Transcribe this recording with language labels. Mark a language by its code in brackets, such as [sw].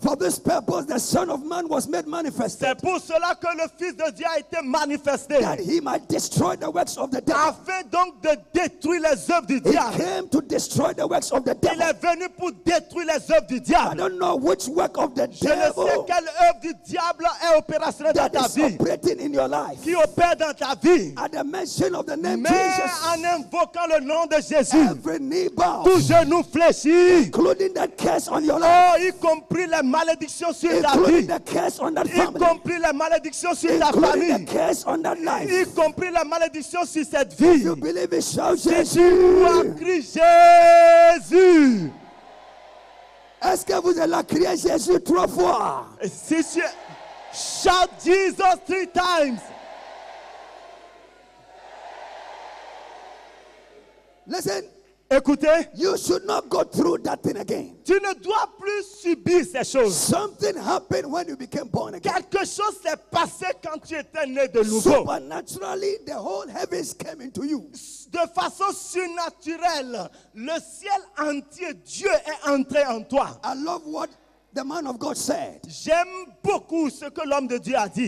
[en] For this purpose the Son of Man was made manifested. [fr] C'est pour cela que le Fils de Dieu a été manifesté. [en] That he might destroy the works of the devil. [fr] Afin donc de détruire les œuvres du diable. [en] He came to destroy the works of the devil. [fr] Il est venu pour détruire les œuvres du diable. [en] I don't know which work of the devil. [fr] Je ne sais quelle œuvre du diable est opérationnelle dans ta vie. [en] That is operating in your life. [fr] Qui opère dans ta vie. [en] At the mention of the name [fr] Mais [en] Jesus. [fr] En invoquant le nom de Jésus. [en] Every knee bow. [fr] Tout genou fléchi. [en] Including that curse on your life. [fr] Oh, y compris les malédictions sur ta vie. Y compris les malédictions sur ta famille. Y compris les malédictions sur cette vie. [en] You believe it, shout [fr] Jésus. Crois, crie Jésus. Est-ce que vous allez crier Jésus trois fois? Si tu... [en] Shout Jesus three times. Listen. [fr] Écoutez, [en] you should not go through that thing again. [fr] Tu ne dois plus subir ces choses. [en] Something happened when you became born again. [fr] Quelque chose s'est passé quand tu étais né de nouveau. [en] Supernaturally, the whole heavens came into you. [fr] De façon surnaturelle, le ciel entier, Dieu est entré en toi. [en] I love what the man of God said. [fr] J'aime beaucoup ce que l'homme de Dieu a dit.